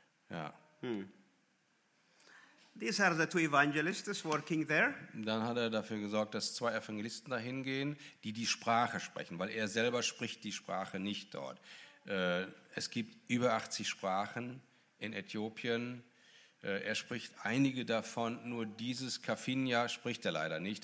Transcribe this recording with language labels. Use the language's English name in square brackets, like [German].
[German] Ja. [English] These are the two evangelists working there. [German] Dann hat er dafür gesorgt, dass zwei Evangelisten dahin gehen, die die Sprache sprechen, weil er selber spricht die Sprache nicht dort. Es gibt über 80 Sprachen in Äthiopien. Er spricht einige davon, nur dieses Kafinya spricht er leider nicht.